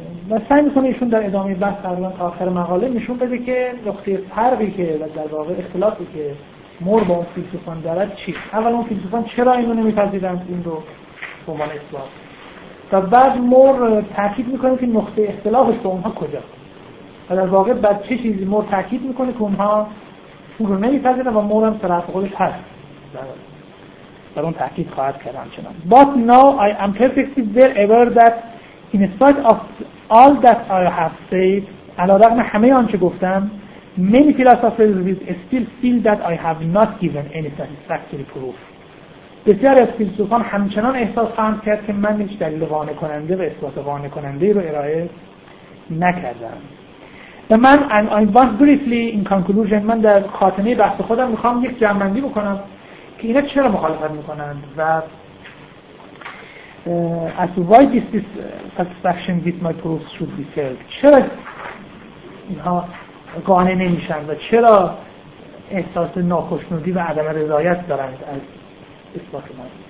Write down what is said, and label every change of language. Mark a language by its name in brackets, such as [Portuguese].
[Persian] و سعی میکنه ایشون در ادامه بحث در تا آخر مقاله نشون بده که نقطه فرقی که در واقع اختلافی که مور با اون فیلسوفان دارد چی؟ اول اون فیلسوفان چرا اینو نمیپذیرن این رو به عنوان اثبات؟ تا بعد مور تاکید میکنه که نقطه اختلافش با اونها کجاست؟ و در واقع بعد چه چیزی مور تاکید میکنه که اونها اون رو نمیپذیرن و مور هم طرف خودش هست در اون تاکید خواهد کرد همچنان. [English] But now I am perfectly well aware that in spite of all that I have said، [Persian] علی‌رغم همه آنچه گفتم، [English] many philosophers still feel that I have not given any satisfactory proof. [Persian] بسیار از فیلسوفان همچنان احساس خواهند کرد که من هیچ دلیل قانع کننده و اثبات قانع کننده رو ارائه نکردم. و من [English] I want briefly in conclusion، [Persian] من در خاتمه بحث خودم میخوام یک جمع‌بندی بکنم که اینا چرا مخالفت میکنند و [English] as to why this satisfaction with my proofs should be felt، [Persian] چرا اینها قانع نمیشن و چرا احساس ناخشنودی و عدم رضایت دارند از اثبات من.